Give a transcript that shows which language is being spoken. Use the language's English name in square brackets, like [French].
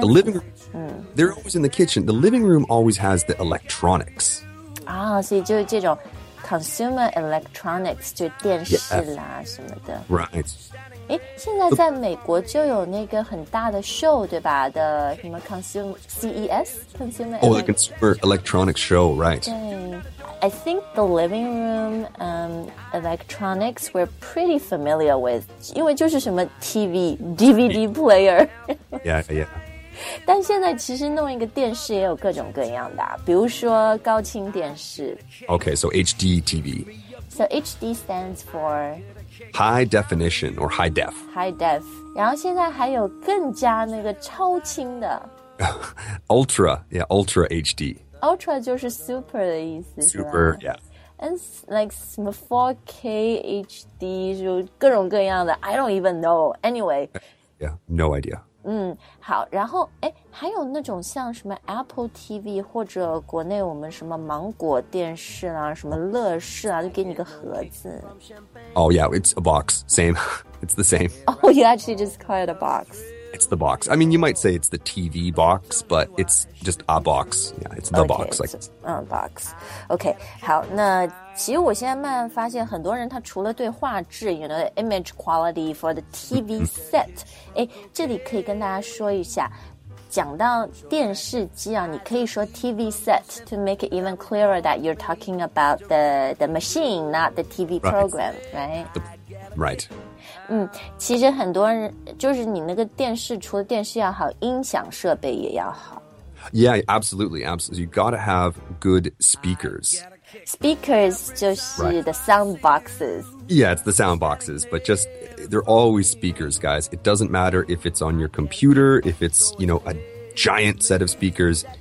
[English] the living room, they're always in the kitchen. The living room always has the electronics. Ah, so it's just this consumer electronics, [Chinese] 就电视啦什么的 [English] Right. [Chinese] 诶，现在在美国就有那个很大的 show, 对吧？的什么 consumer [English] Oh, the consumer electronics show, right. [Chinese] 对。 [English] I think the living room electronics we're pretty familiar with. [Chinese] 因为就是什么 TV, DVD player. [English] Yeah, yeah. [Chinese] 但现在其实弄一个电视也有各种各样的，比如说高清电视。 [English] Okay, so HD TV. So HD stands for? High definition or high def. High def. [Chinese] 然后现在还有更加那个超清的。 [English] Ultra, yeah, Ultra HD. [Chinese] Ultra 就是 super 的意思 [English] Super, yeah. And like 4K HD, [Chinese] 就各种各样的 [English] I don't even know. Anyway. Yeah, no idea. [Chinese] 好然后还有那种像什么 Apple TV, 或者国内我们什么芒果电视啊什么乐视啊就给你个盒子。 [English] Oh yeah, it's a box. Same. It's the same. Oh, you actually just call it a box. It's the box. I mean, you might say it's the TV box, but it's just a box. Yeah, it's the okay, box. Like, so, box. Okay, [Chinese] 好，那其实我现在慢慢发现很多人他除了对画质 [English] you know, image quality for the TV set, [Chinese] 这里可以跟大家说一下，讲到电视机啊，你可以说 [English] TV set to make it even clearer that you're talking about the machine, not the TV program, right? [Chinese] 其实很多人就是你那个电视除了电视要好音响设备也要好 [English] Yeah, absolutely, absolutely. You gotta have good speakers. Speakers [Chinese] 就是 [English] the sound boxes. Yeah, it's the sound boxes, but just they're always speakers, guys. It doesn't matter if it's on your computer, if it's, you know, a giant set of speakers.